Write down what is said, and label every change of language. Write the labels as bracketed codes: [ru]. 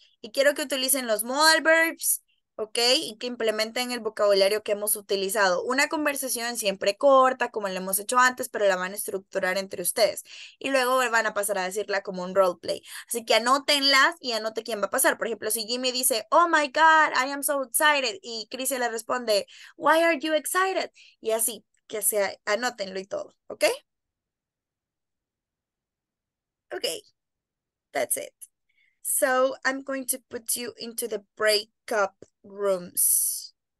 [es] Y quiero que utilicen los modal verbs, ¿ok? Y que implementen el vocabulario que hemos utilizado. Una conversación siempre corta, como la hemos hecho antes, pero la van a estructurar entre ustedes. Y luego van a pasar a decirla como un roleplay. Así que anótenlas y anote quién va a pasar. Por ejemplo, si Jimmy dice, [en] oh my God, I am so excited. [es] Y Chrissy le responde, [en] why are you excited? [es] Y así, que sea, anótenlo y todo, ¿ok? [en] Ok, that's it. So I'm going to put you into the breakup rooms.